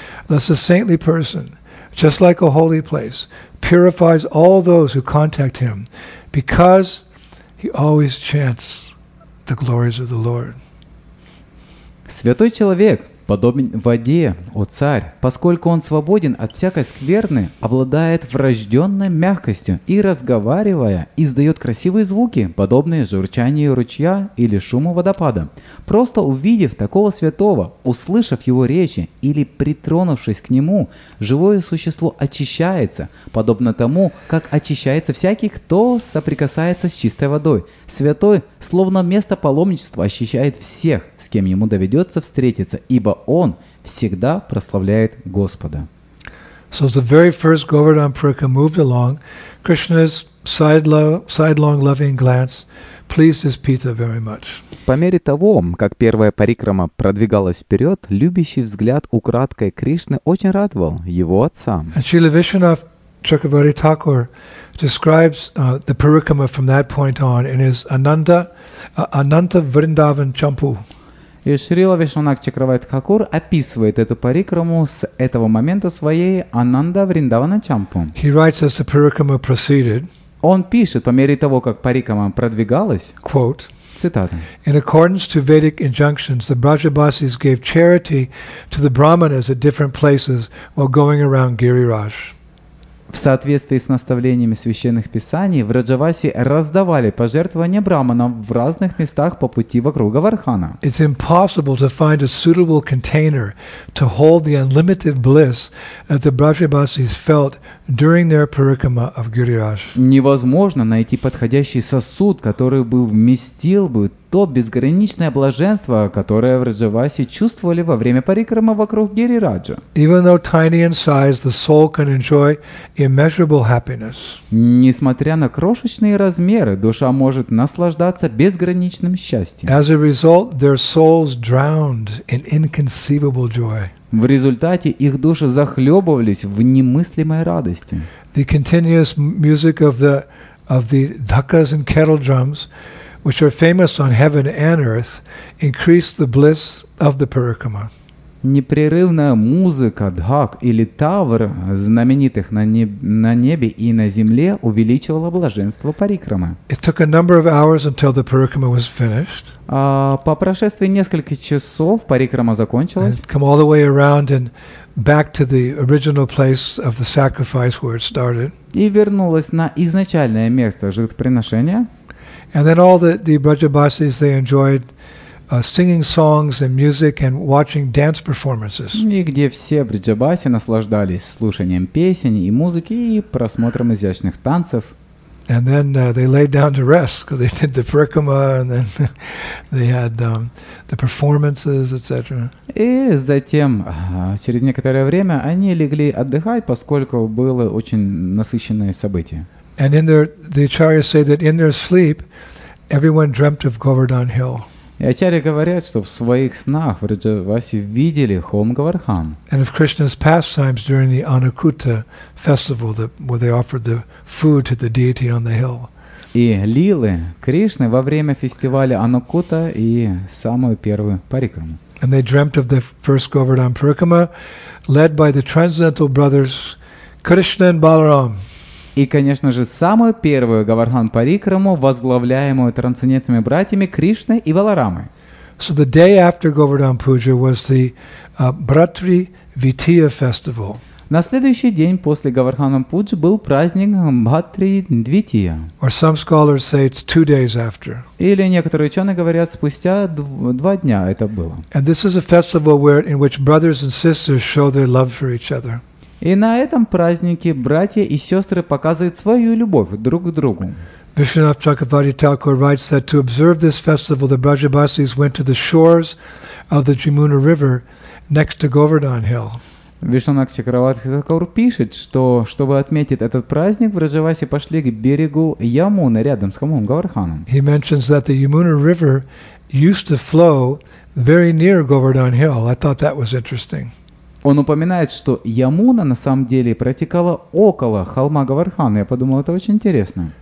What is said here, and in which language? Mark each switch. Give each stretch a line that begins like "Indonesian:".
English: Thus a saintly person, just like a holy place, purifies all those who contact him, because he always chants the glories of the Lord.
Russian: Святой человек подобен воде, о царь, поскольку он свободен от всякой скверны, обладает врожденной мягкостью и, разговаривая, издает красивые звуки, подобные журчанию ручья или шуму водопада. Просто увидев такого святого, услышав его речи или притронувшись к нему, живое существо очищается, подобно тому, как очищается всякий, кто соприкасается с чистой водой. Святой, словно место паломничества, очищает всех, с кем ему доведется встретиться, ибо Он всегда прославляет Господа.
English: So as the very first Govardhan Purika moved along, Krishna's sidelong loving glance pleased his Pita very much.
Russian: По мере того, как первая парикрама продвигалась вперед, любящий взгляд украдкой Кришны очень радовал его отца.
English: And Srila Vishwanath Chakravarti Thakur describes the Purikama from that point on in his Ananta Vrindavan Champu.
Russian: И Шрила Вишванат Чакравати Тхакур описывает эту парикраму с этого момента своей Ананда Вриндавана Чампу.
English: He writes as the parikrama proceeded.
Russian: Он пишет по мере того, как парикрама продвигалась.
English: Quote.
Russian: Цитата.
English: In accordance to Vedic injunctions, the Brajabasis gave charity to the Brahmanas at different places while going around Giriraj.
Russian: В соответствии с наставлениями священных писаний, Враджаваси раздавали пожертвования браманам в разных местах по пути вокруг Варахана.
English: It's impossible to find a suitable container to hold the unlimited bliss that the Vrajavasis felt during their parikrama of Giriraj.
Russian: Невозможно найти подходящий сосуд, который бы вместил бы то безграничное блаженство, которое Враджаваси чувствовали во время парикрама вокруг Гирираджа.
English: Even though tiny in size, the soul can enjoy immeasurable happiness.
Russian: Несмотря на крошечные размеры, душа может наслаждаться безграничным счастьем.
English: As a result, their souls drowned in inconceivable joy.
Russian: В результате их души захлебывались в немыслимой радости.
English: The continuous music of the dhakas and kettle drums, which are famous on heaven and earth, increased the bliss of the parikrama.
Russian: Непрерывная музыка Дхак или Тавр, знаменитых на небе и на земле, увеличивала блаженство Парикрамы.
English: It took a number of hours until the Parikrama was finished.
Russian: По прошествии нескольких часов Парикрама закончилась.
English: And come all the way around and back to the original place of the sacrifice where it started.
Russian: И вернулась на изначальное место жертвоприношения.
English: And then all the Brajabasis, they enjoyed singing songs and music and watching dance performances.
Russian: И где все Бриджабаси наслаждались слушанием песен и музыки и просмотром изящных танцев.
English: And then they laid down to rest because they did the Parikrama and then they had the performances, etc.
Russian: И затем через некоторое время они легли отдыхать, поскольку было очень насыщенное событие.
English: And in their the acharyas say that in their sleep everyone dreamt of Govardhan Hill.
Russian: И ачарьи говорят, что в своих снах Вриджаваси видели холм Говардхан.
English: And of Krishna's pastimes during the Anakuta festival, where they offered the food to the deity on the hill.
Russian: И лилы Кришны во время фестиваля Анакута и самую первую парикраму.
English: And they dreamt of the first Govardhan Parikrama, led by the transcendental brothers Krishna and Balaram.
Russian: И, конечно же, самую первую Говардхан Парикраму, возглавляемую трансцендентными братьями Кришной и Баларамой.
English: So the day after Govardhan Puja was the Bratri Vitiya festival.
Russian: На следующий день после Govardhan Puja был праздник Bhatri Dvitiya.
English: Or some scholars say it's 2 days after.
Russian: Или некоторые ученые говорят, спустя два дня это было.
English: And this is a festival where in which brothers and sisters show their love for each other.
Russian: И на этом празднике братья и сестры показывают свою любовь друг к другу.
English: Vishwanath Chakravarti Thakur writes that to observe this festival, the Brajabasis went to the shores of the Jamuna River next to Govardhan Hill.
Russian: Вишванат Чакраварти Такур пишет, что чтобы отметить этот праздник, Вриджаваси пошли к берегу Ямуны рядом с холмом Говардханом.
English: He mentions that the Yamuna River used to flow very near Govardhan Hill. I thought that was interesting.
Russian: Он упоминает, что Ямуна на самом деле протекала около холма Говардхана. Я подумал, это очень интересно.